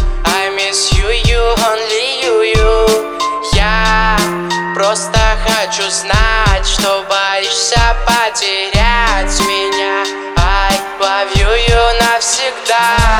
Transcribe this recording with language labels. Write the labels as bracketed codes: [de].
[en] I miss you, you, only you, you. [ru] Я просто хочу знать, что боишься потерять меня. [en] I love you, you навсегда.